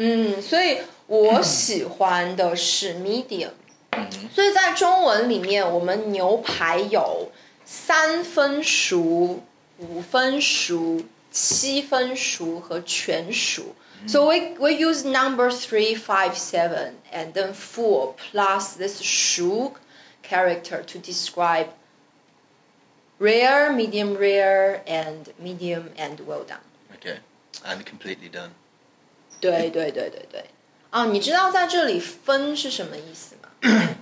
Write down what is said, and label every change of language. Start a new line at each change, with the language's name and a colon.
Chinese: 但是我不知道怎么说rare，中文。所以我喜欢的是
English: medium.
Chinese: 所以在中文里面，我们牛排有三分熟、五分熟。七分熟和全熟
English: So we use number 3, 5, 7 and then 4 plus this 熟 character to describe rare, medium rare and medium and well done. Okay, and completely done.
Chinese: 对对对对对 oh, 你知道在这里分是什么意思吗?